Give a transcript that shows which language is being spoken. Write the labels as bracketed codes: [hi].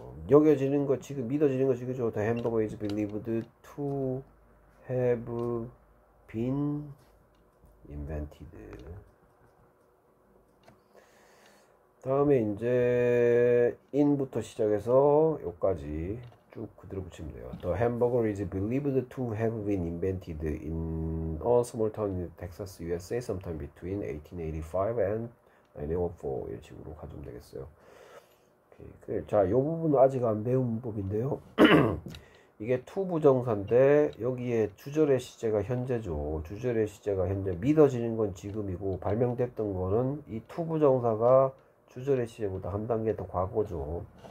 [ko] 여겨지는 거 지금 믿어지는 거 지금 저 [en] the hamburger is believed to have been invented. [ko] 다음에 이제 in부터 시작해서 여기까지 쭉 그대로 붙이면 돼요. [en] The hamburger is believed to have been invented in a small town in Texas, USA, sometime between 1885 and 1904. [ko] 이런 식으로 가져오면 되겠어요. 오케이. 자, 요 부분은 아직 안 배운 문법인데요. 이게 to 부정사인데 여기에 주절의 시제가 현재죠. 주절의 시제가 현재 믿어지는 건 지금이고 발명됐던 거는 이 to 부정사가 주절의 시제보다 한 단계 더 과거죠.